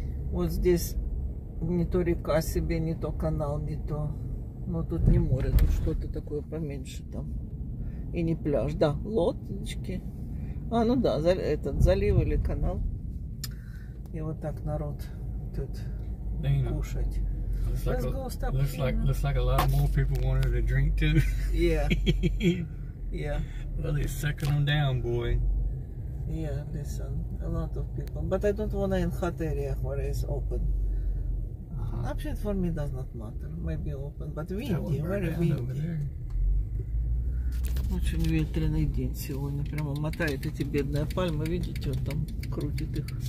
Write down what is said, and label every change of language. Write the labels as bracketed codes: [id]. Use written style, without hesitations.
[ru] Вот здесь не то река себе, не то канал, не то. Но тут не море, тут что-то такое поменьше там. И не пляж. Да, лодочки. А, ну да, этот залив или канал. И вот так народ тут кушать. [en] Looks like a lot more people wanted a drink too. Yeah. Well, they're sucking them down, boy. Yeah, listen, a lot of people. But I don't want to in hot area where it's open. Uh-huh. Actually, for me, does not matter. Maybe open, but windy, very windy. [ru] Очень ветреный день сегодня. Прямо мотает эти бедные пальмы. Видите, вот там крутит их.